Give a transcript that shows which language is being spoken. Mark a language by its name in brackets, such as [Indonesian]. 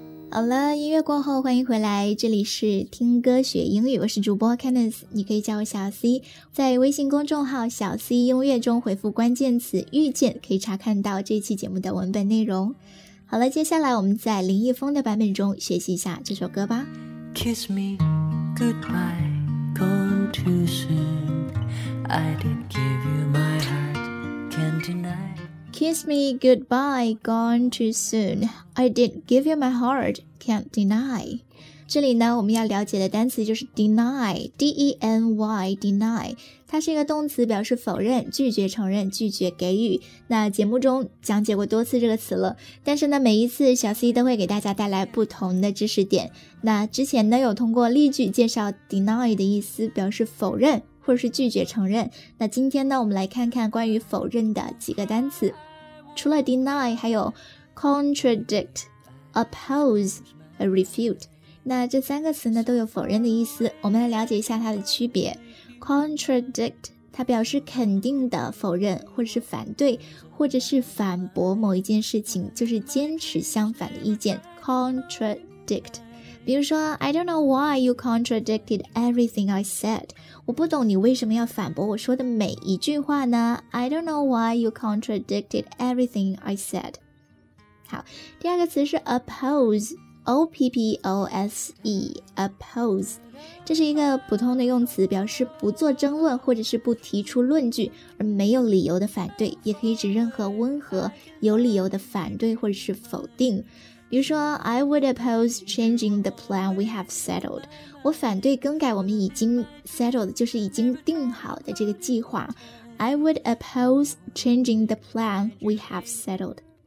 [Chinese] 好了，音乐过后欢迎回来，这里是听歌学英语，我是主播 Kenneth， 你可以叫我小 C， 在微信公众号小 C 音乐中回复关键词遇见，可以查看到这期节目的文本内容。好了，接下来我们在林一峰的版本中学习一下这首歌吧。 [English] Kiss me goodbye, gone too soon. I didn't give you my heart, can't deny Kiss me goodbye, gone too soon. I did give you my heart, can't deny. [Chinese] 这里呢，我们要了解的单词就是 deny, D-E-N-Y, deny. 它是一个动词，表示否认、拒绝承认、拒绝给予。那节目中讲解过多次这个词了，但是呢，每一次小 C 都会给大家带来不同的知识点。那之前呢，有通过例句介绍 deny 的意思，表示否认。或是拒绝承认。那今天呢，我们来看看关于否认的几个单词。除了 deny， 还有 contradict、oppose、refute。那这三个词呢，都有否认的意思。我们来了解一下它的区别。contradict 他表示肯定的否认或者是反对或者是反驳某一件事情，就是坚持相反的意见， contradict。比如说 [English] I don't know why you contradicted everything I said， [Chinese] 我不懂你为什么要反驳我说的每一句话呢。 [English] I don't know why you contradicted everything I said。 [Chinese] 好，第二个词是 oppose， O-P-P-O-S-E， oppose，这是一个普通的用词，表示不做争论或者是不提出论据而没有理由的反对，也可以指任何温和有理由的反对或者是否定。比如说 [English] I would oppose changing the plan we have settled， [Chinese] 我反对更改我们已经 settled， 就是已经定好的这个计划。 [English] I would oppose changing the plan we have settled。